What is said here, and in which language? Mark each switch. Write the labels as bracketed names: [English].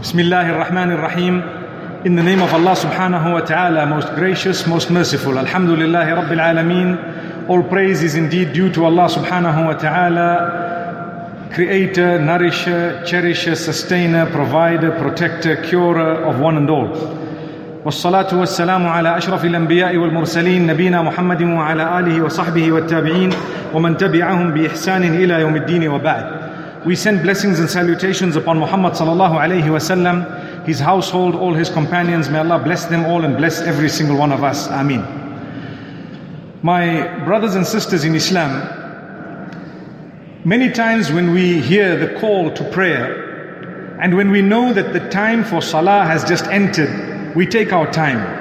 [English] Bismillahir Rahmanir Rahim. In the name of Allah subhanahu wa ta'ala, most gracious, most merciful. Alhamdulillahi rabbil alameen. All praise is indeed due to Allah subhanahu wa ta'ala, creator, nourisher, cherisher, sustainer, provider, protector, curer of one and all. [Arabic] والصلاة والسلام على أشرف الأنبياء والمرسلين نبينا محمد وعلى آله وصحبه والتابعين ومن تبعهم بإحسان إلى يوم الدين وبعد. [English] We send blessings and salutations upon Muhammad sallallahu alayhi wa sallam, his household, all his companions. May Allah bless them all and bless every single one of us. Ameen. My brothers and sisters in Islam, many times when we hear the call to prayer and when we know that the time for salah has just entered, we take our time.